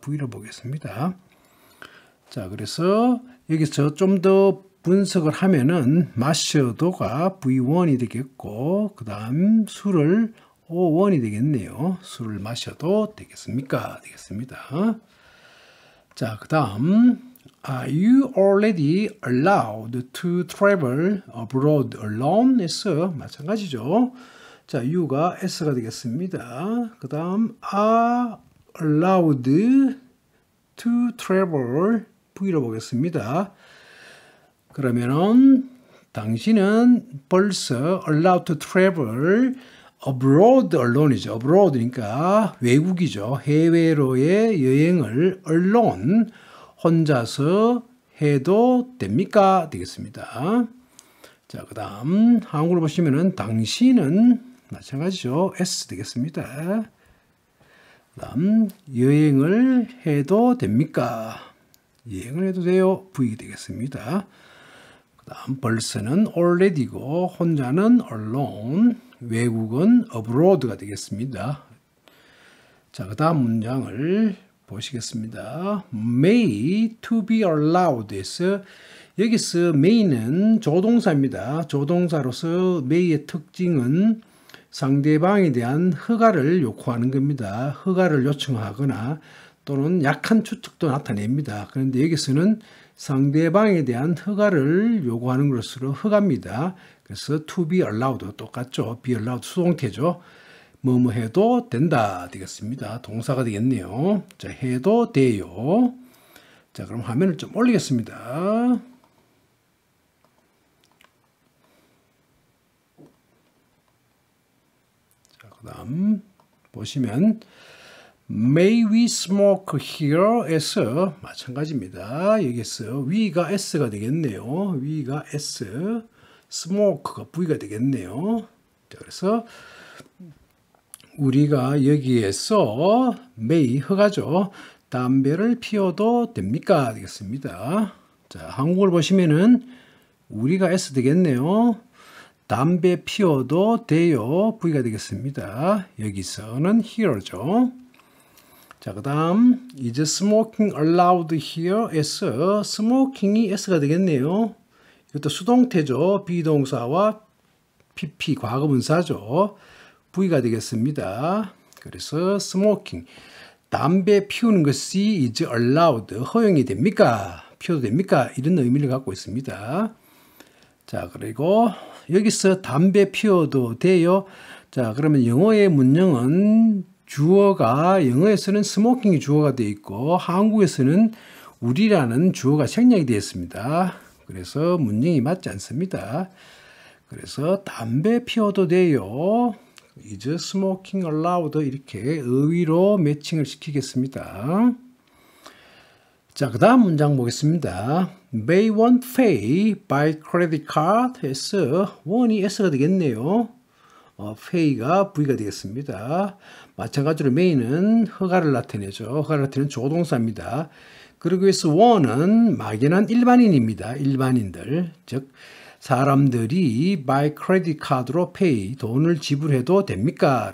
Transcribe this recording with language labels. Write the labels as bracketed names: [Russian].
[Korean] V로 보겠습니다. 자, 그래서 여기서 좀 더 분석을 하면은 마셔도가 V1이 되겠고 그 다음 술을 O1이 되겠네요. 술을 마셔도 되겠습니까? 되겠습니다. 자, 그 다음 [English] Are you already allowed to travel abroad alone? [Korean] 해서 마찬가지죠. 자, U가 S가 되겠습니다. 그 다음 [English] Are allowed to travel [Korean] V로 보겠습니다. 그러면은 당신은 벌써 [English] allowed to travel abroad alone [Korean] 이죠. abroad니까 외국이죠. 해외로의 여행을 alone 혼자서 해도 됩니까? 되겠습니다. 자, 그 다음 한국어로 보시면은 당신은 마찬가지죠. S 되겠습니다. 그 다음 여행을 해도 됩니까? 여행을 해도 돼요. V 되겠습니다. 그 다음 벌써는 already고 혼자는 alone 외국은 abroad가 되겠습니다. 자, 그 다음 문장을 보시겠습니다. [English] May to be allowed [Korean] 해서 여기서 may는 조동사입니다. 조동사로서 may의 특징은 상대방에 대한 허가를 요구하는 겁니다. 허가를 요청하거나 또는 약한 추측도 나타냅니다. 그런데 여기서는 상대방에 대한 허가를 요구하는 것으로 허가입니다. 그래서 [English] to be allowed [Korean] 똑같죠. [English] be allowed [Korean] 수동태죠. 뭐뭐 해도 된다 되겠습니다. 동사가 되겠네요. 자, 해도 돼요. 자, 그럼 화면을 좀 올리겠습니다. 자, 그다음 보시면 [English] May we smoke here? [Korean] 에서 마찬가지입니다. 여기서 we가 s가 되겠네요. we가 s, smoke가 v가 되겠네요. 자, 그래서 우리가 여기에서 may 허가죠. 담배를 피워도 됩니까? 되겠습니다. 자, 한국을 보시면은 우리가 s 되겠네요. 담배 피워도 돼요. v가 되겠습니다. 여기서는 here죠. 자, 그 다음 [English] is smoking allowed here? [Korean] s, smoking이 s가 되겠네요. 이것도 수동태죠. be동사와 pp 과거분사죠. v가 되겠습니다. 그래서 smoking, 담배 피우는 것이 [English] is allowed, [Korean] 허용이 됩니까? 피워도 됩니까? 이런 의미를 갖고 있습니다. 자, 그리고 여기서 담배 피워도 돼요. 자, 그러면 영어의 문형은 주어가, 영어에서는 스모킹이 주어가 되어 있고 한국에서는 우리라는 주어가 생략이 되어 있습니다. 그래서 문형이 맞지 않습니다. 그래서 담배 피워도 돼요. [English] Is smoking allowed? [Korean] 이렇게 의의로 매칭을 시키겠습니다. 자, 그 다음 문장 보겠습니다. [English] May one pay by credit card? [Korean] S, one이 S가 되겠네요. pay가 V가 되겠습니다. 마찬가지로 may는 허가를 나타내죠. 허가를 나타내는 조동사입니다. 그러기 위해서 one은 막연한 일반인입니다. 일반인들, 즉 사람들이 [English] by credit card [Korean] 로 pay, 돈을 지불해도 됩니까?